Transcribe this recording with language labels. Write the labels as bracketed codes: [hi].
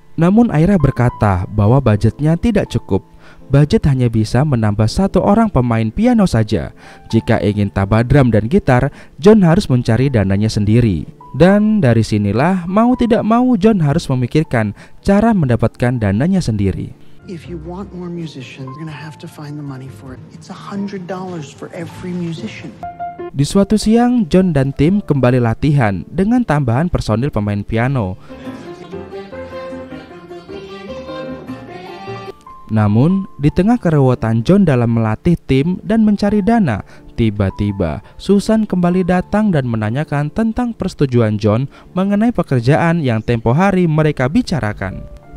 [id] Namun Aira berkata bahwa budgetnya tidak cukup. Budget hanya bisa menambah satu orang pemain piano saja. Jika ingin tambah drum dan gitar, John harus mencari dananya sendiri. Dan dari sinilah mau tidak mau John harus memikirkan cara mendapatkan dananya sendiri. [en] If you want more musicians, you're gonna have to find the money for it. It's $100 for every musician. [id] Di suatu siang, John dan tim kembali latihan dengan tambahan personil pemain piano. Namun, di tengah keruwetan John dalam melatih tim dan mencari dana, tiba-tiba Susan kembali datang dan menanyakan tentang persetujuan John mengenai pekerjaan yang tempo hari mereka bicarakan.